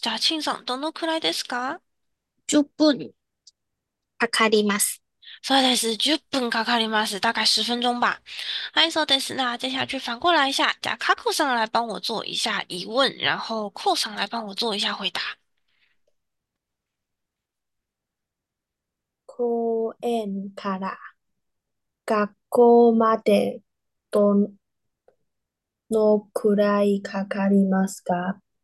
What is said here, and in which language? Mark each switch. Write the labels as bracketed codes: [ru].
[ja] じゃあ、チンさん、どのくらいですか？ 10分かかります。そうです。 10分かかります。 [zh] 大概10分钟吧。 [ja] はい、そうです。 [zh] 那接下去反过来一下， [ja] じゃあ、 [zh] カコさん来帮我做一下疑问，然后コさん来帮我做一下回答。 [ja] 公園から学校までどのくらいかかりますか？